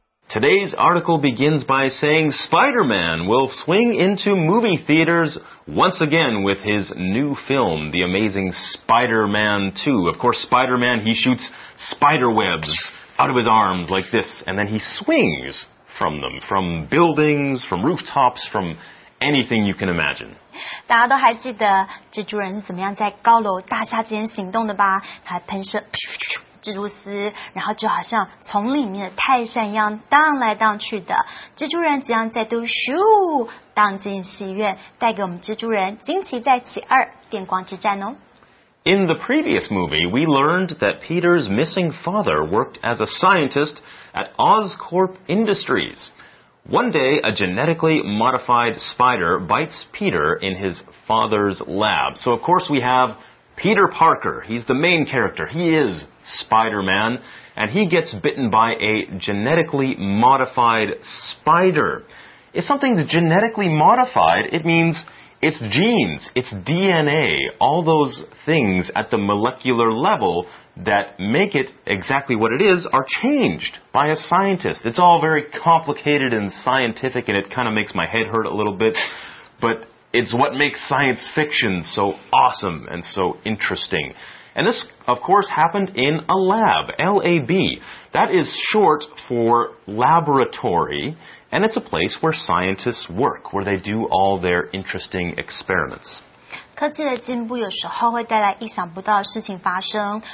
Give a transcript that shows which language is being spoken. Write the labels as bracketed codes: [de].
[en] Today's article begins by saying Spider-Man will swing into movie theaters once again with his new film, The Amazing Spider-Man 2. Of course, Spider-Man, he shoots spider webs out of his arms like this, and then he swings from them, from buildings, from rooftops, from anything you can imagine. [zh] 大家都还记得蜘蛛人怎么样在高楼大厦之间行动的吧？他喷射蜘蛛丝，然后就好像丛林里面的泰山一样荡来荡去的。蜘蛛人即将再度咻荡进戏院，带给我们蜘蛛人惊奇再起二电光之战哦。 [en] In the previous movie, we learned that Peter's missing father worked as a scientist at Oscorp Industries. One day, a genetically modified spider bites Peter in his father's lab. So, of course, we have Peter Parker. He's the main character. He is Spider-Man, and he gets bitten by a genetically modified spider. If something's genetically modified, it means it's genes, it's DNA, all those things at the molecular level that make it exactly what it is are changed by a scientist. It's all very complicated and scientific, and it kind of makes my head hurt a little bit. But It's what makes science fiction so awesome and so interesting. And this, of course, happened in a lab, L-A-B. That is short for laboratory, and it's a place where scientists work, where they do all their interesting experiments. [zh] 科技的进步有时候会带来意想不到的事情发生。